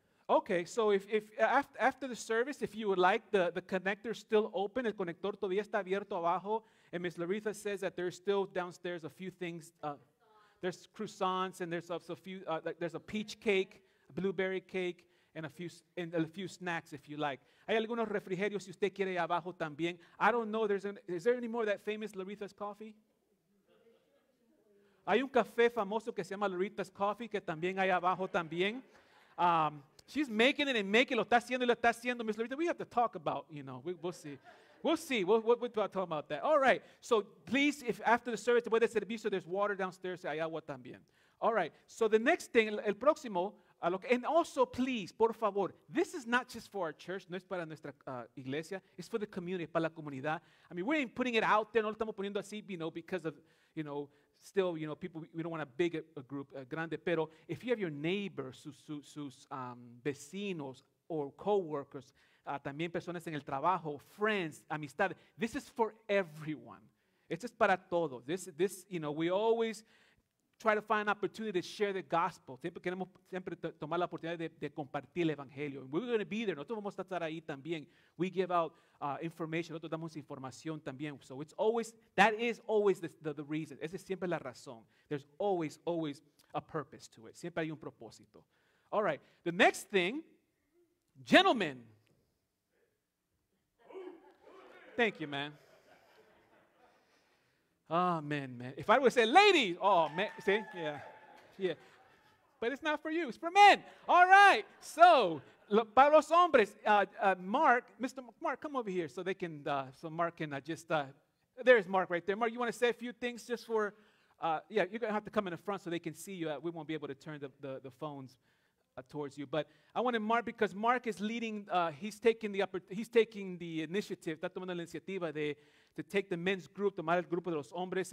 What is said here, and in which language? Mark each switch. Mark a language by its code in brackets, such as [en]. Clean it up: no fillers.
[en] Okay, so if after the service, if you would like, the connector is still open. [es] El conector todavía está abierto abajo. [en] And Ms. Larissa says that there's still downstairs a few things. There's croissants and there's a few. There's a peach cake, a blueberry cake, and a few snacks if you like. [es] Hay algunos refrigerios si usted quiere abajo también. [en] I don't know. Is there any more of that famous Larissa's coffee? [es] Hay un café famoso que se llama Larissa's Coffee que también hay abajo también. [en] She's making it and making it. [es] Lo está haciendo y lo está haciendo. [en] Ms. Larissa, we have to talk about, you know, we'll see. We'll see. We'll talk about that. All right. So please, if after the service, [es] después del servicio, [en] there's water downstairs, [es] hay agua también. [en] All right. So the next thing, [es] el próximo, [en] and also please, [es] por favor, [en] this is not just for our church, [es] no es para nuestra iglesia, [en] it's for the community, [es] para la comunidad. [en] I mean, we ain't putting it out there, [es] no lo estamos poniendo así, [en] you know, because of, you know, still, you know, people, we don't want a big a group, a grande, pero if you have your neighbors, [es] sus vecinos [en] or coworkers, [es] también personas en el trabajo, [en] friends, amistad, this is for everyone. [es] Esto es para todos. [en] This, you know, we always try to find an opportunity to share the gospel. [es] Siempre queremos siempre tomar la oportunidad de compartir el evangelio. [en] And we're going to be there. [es] Nosotros vamos a estar ahí también. [en] We give out information. [es] Nosotros damos información también. [en] So it's always, that is always the reason. [es] Esa es siempre la razón. [en] There's always, always a purpose to it. [es] Siempre hay un propósito. [en] All right. The next thing, gentlemen. Thank you, man. Oh, man, man. If I would say, ladies, oh, man, see, yeah, yeah. But it's not for you, it's for men. All right, so, [es] para los hombres, [en] Mark, Mr. Mark, come over here so they can, so Mark can just, there's Mark right there. Mark, you want to say a few things just for, yeah, you're going to have to come in the front so they can see you. We won't be able to turn the phones towards you. But I wanted Mark, because Mark is leading, he's taking the initiative, [es] está tomando la iniciativa de, [en] to take the men's group, [es] tomar el grupo de los hombres.